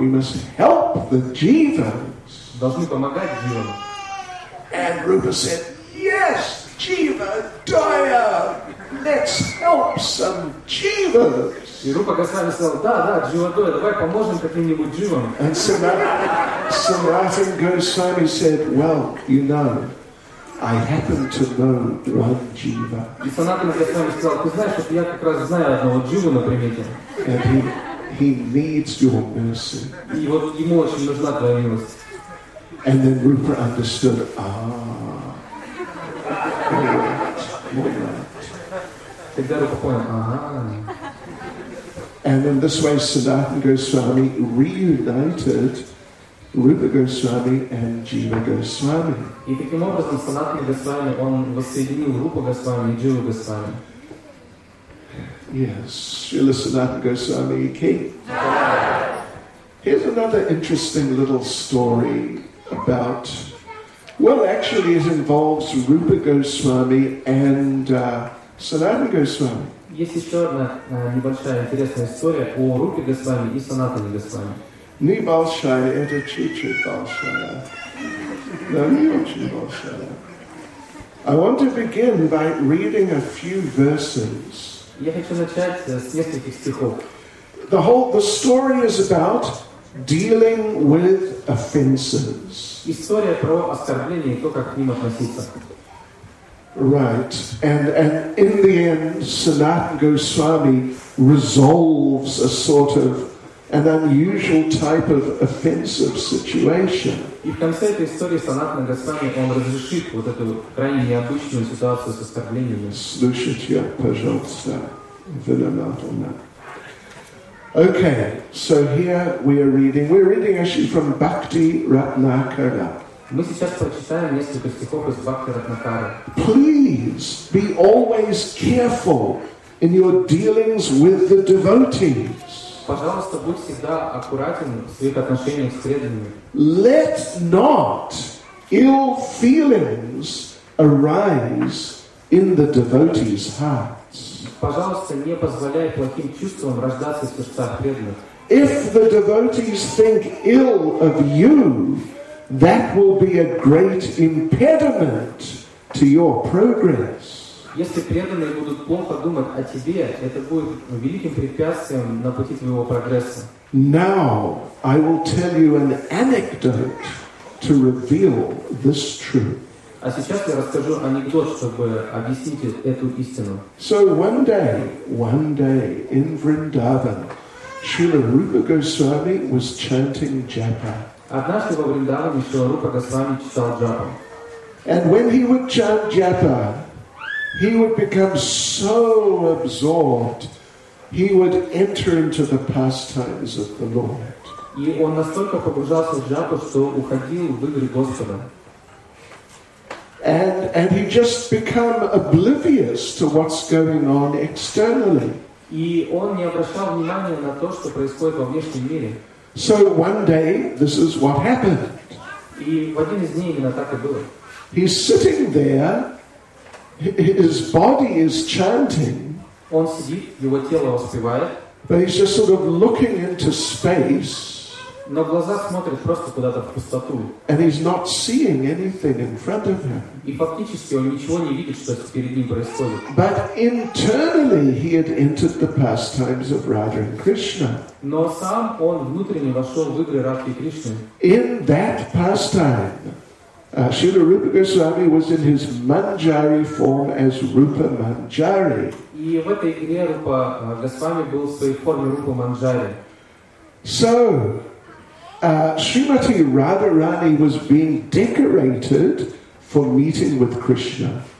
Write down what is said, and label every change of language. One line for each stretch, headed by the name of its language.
English: We must help the Jivas.
Russian: Должны помогать Дживам.
English: And Rupa said, yes, Jiva Doya. Let's help some Jivas.
Russian: И Рупа Госвами сказал, да, да, Jiva Doya, давай поможем каким-нибудь Дживам.
English: And Sanatana Goswami said, well, you know, I happen to know one Jiva.
Russian: И Санатана Госвами сказал, ты знаешь, что я как раз знаю одного Дживу на примете.
English: And he needs your mercy.
Russian: И вот ему очень нужна твоя милость.
English: And then Rupa understood, ah.
Russian: Тогда Рупа понял, ага.
English: And in this way, Sanatana Goswami reunited Rupa Goswami and Jiva Goswami.
Russian: И таким образом Санатана Госвами он воссоединил Рупа Госвами и Джива Госвами.
English: Yes, Srila Sanatana Goswami ki. Here's another interesting little story about. Well, actually, it involves Rupa Goswami and Sanatana Goswami.
Russian: Есть еще одна небольшая интересная история о Рупе Госвами и Санатане Госвами. Не большая, это чуть-чуть большая. Но не очень большая.
English: I want to begin by reading a few verses.
Russian: Я хочу начать с нескольких стихов.
English: The story is about dealing with offenses.
Russian: История про оскорбления и то, как к ним относиться.
English: Right, and in the end, Sanatana Goswami resolves a sort of an unusual type of offensive situation.
Russian: И в конце этой истории Санатана Госвами он разрешит вот эту крайне необычную ситуацию с оскорблениями. Слушайте, пожалуйста, внимательно.
English: Okay, so here we are reading. We're reading actually from Bhakti Ratnakara.
Russian: Мы сейчас прочитаем несколько стихов из Бхакти Ратнакары.
English: Please be always careful in your dealings with the devotees.
Russian: Пожалуйста, будь всегда аккуратен в своих отношениях с преданными.
English: Let not ill feelings arise in the devotees' hearts.
Russian: Пожалуйста, не позволяй плохим чувствам рождаться в сердцах преданных.
English: If the devotees think ill of you, that will be a great impediment to your progress.
Russian: Если преданные будут плохо думать о тебе, это будет великим препятствием на пути твоего прогресса.
English: Now I will tell you an anecdote to reveal this truth.
Russian: А сейчас я расскажу анекдот, чтобы объяснить эту истину.
English: So one day in Vrindavan, Srila Rupa Goswami was chanting japa.
Russian: Однажды во Вриндаване Шрила Рупа Госвами читал джапу.
English: And when he would chant japa, he would become so absorbed, he would enter into the pastimes of the Lord.
Russian: И он настолько погружался в джапу, что уходил в игры Господа.
English: And he just become oblivious to what's going on externally.
Russian: И он не обращал внимания на то, что происходит во внешнем мире.
English: So one day, this is what happened.
Russian: И в один из дней именно так и было.
English: He's sitting there, his body is chanting.
Russian: Он сидит, его тело воспевает.
English: But he's just sort of looking into space.
Russian: Но глаза смотрят просто куда-то в пустоту.
English: And he's not seeing anything in front of him.
Russian: И фактически он ничего не видит, что перед ним происходит.
English: But internally he had entered the pastimes of Radha and Krishna.
Russian: Но сам он внутренне вошел в игры Радхи и Кришны.
English: In that pastime, Srila Rupa Goswami was in his Manjari form as Rupa Manjari.
Russian: И в этой игре Рупа Госвами был в своей форме Рупа Манджари.
English: So Srimati Radharani was being decorated for meeting with Krishna.